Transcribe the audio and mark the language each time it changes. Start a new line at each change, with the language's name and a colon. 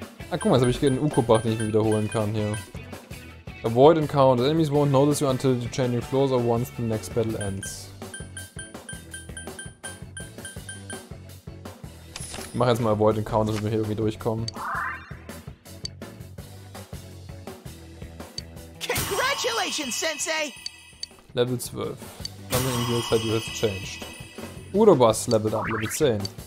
German: Ah, guck mal, jetzt habe ich einen Uko-Bach, den ich mir wiederholen kann hier.
English: Avoid encounters. Enemies won't notice you until the changing floors or once the next battle ends.
German: Ich mache jetzt mal Avoid encounters, damit wir hier irgendwie durchkommen.
English: Congratulations, Sensei! Level 12. Something in the inside has changed. Urobas leveled up, Level 10.